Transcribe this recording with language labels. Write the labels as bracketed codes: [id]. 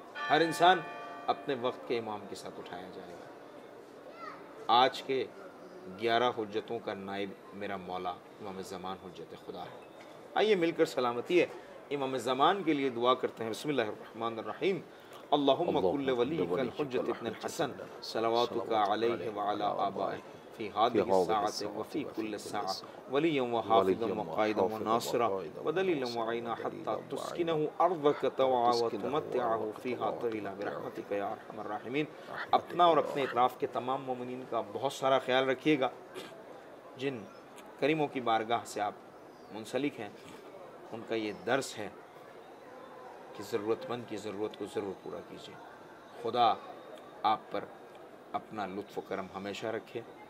[ur] ہر انسان اپنے وقت کے امام کے ساتھ اٹھایا جائے گا. آج کے 11 حجتوں کا نائب میرا مولا امام زمان حجت خدا ہے. آئیے مل کر سلامتی ہے امام زمان کے لیے دعا کرتے ہیں. بسم اللہ الرحمن الرحیم. [ar] اللهم كل وليك الحجة ابن الحسن صلواتك عليه وعلى آبائه في هذه الساعة وفي كل ساعة وليا وحافظا وقائدا وناصرا ودليلا وعينا حتى تسكنه أرضك طوعا وتمتعه فيها طويلا برحمتك يا أرحم الراحمين. [ur] اپنا اور اپنے اطراف کے تمام مومنین کا بہت سارا خیال رکھیے گا. جن کریموں کی بارگاہ سے آپ منسلک ہیں ان کا یہ درس ہے کہ ضرورت مند کی ضرورت کو ضرور پورا کیجیے. خدا آپ پر اپنا لطف و کرم ہمیشہ رکھے.